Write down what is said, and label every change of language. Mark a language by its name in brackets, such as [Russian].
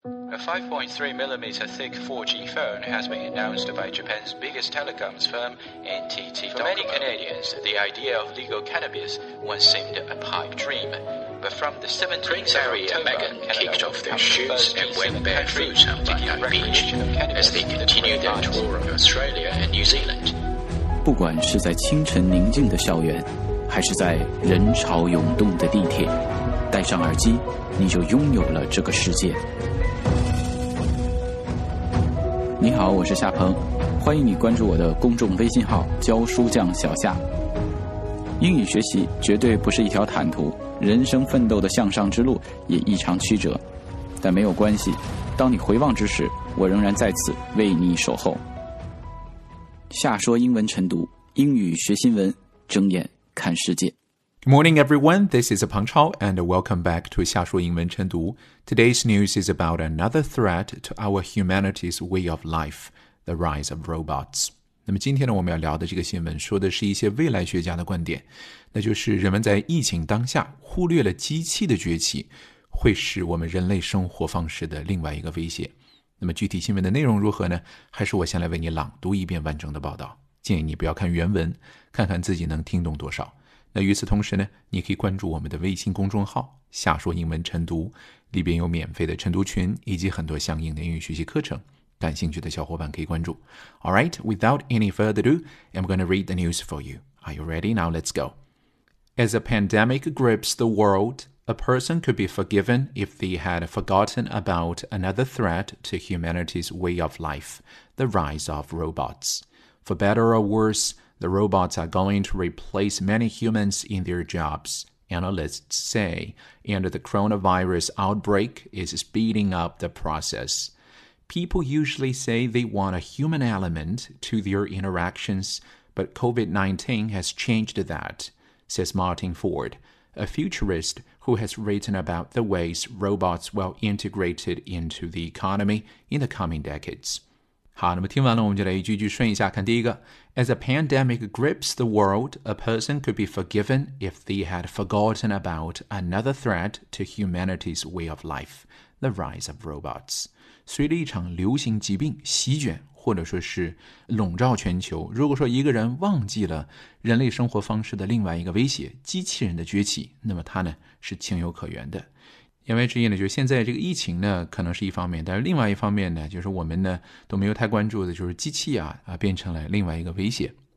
[English] A 5.3mm thick 4G phone has been announced by Japan's biggest telecoms firm, NTT Docomo. For many Canadians, the idea of legal cannabis once seemed a pipe dream. But from the 17th of October, Canada kicked off their shoots and went barefoot on Bondi Beach as they continued their tour of Australia and New Zealand. [Chinese] 不管是在清晨宁静的校园，还是在人潮涌动的地铁，戴上耳机，你就拥有了这个世界。你好，我是夏鹏，欢迎你关注我的公众微信号教书匠小夏。英语学习绝对不是一条坦途，人生奋斗的向上之路也异常曲折，但没有关系，当你回望之时，我仍然在此为你守候。夏说英文晨读，英语学新闻，睁眼看世界。 [English] Good morning, everyone. This is Peng Chao, and welcome back to 夏说英文晨读。 Today's news is about another threat to our humanity's way of life, the rise of robots. [Chinese] 那么今天呢，我们要聊的这个新闻说的是一些未来学家的观点，那就是人们在疫情当下忽略了机器的崛起，会是我们人类生活方式的另外一个威胁。那么具体新闻的内容如何呢？还是我先来为你朗读一遍完整的报道。建议你不要看原文，看看自己能听懂多少。那与此同时呢，你可以关注我们的微信公众号“夏说英文晨读”，里边有免费的晨读群以及很多相应的英语学习课程。感兴趣的小伙伴可以关注。 [English] All right, without any further ado, I'm going to read the news for you. Are you ready? Now let's go. As a pandemic grips the world, a person could be forgiven if they had forgotten about another threat to humanity's way of life, the rise of robots. For better or worse, the robots are going to replace many humans in their jobs, analysts say, and the coronavirus outbreak is speeding up the process. People usually say they want a human element to their interactions, but COVID-19 has changed that, says Martin Ford, a futurist who has written about the ways robots will integrate into the economy in the coming decades. [Chinese] 好，那么听完了，我们就来一句一句顺一下，看第一个。 [English] As a pandemic grips the world, a person could be forgiven if they had forgotten about another threat to humanity's way of life, the rise of robots. [Chinese] 随着一场流行疾病席卷或者说是笼罩全球，如果说一个人忘记了人类生活方式的另外一个威胁，机器人的崛起，那么他呢是情有可原的。言外之意呢，就是现在这个疫情呢可能是一方面，但是另外一方面呢，就是我们呢都没有太关注的，就是机器啊变成了另外一个威胁。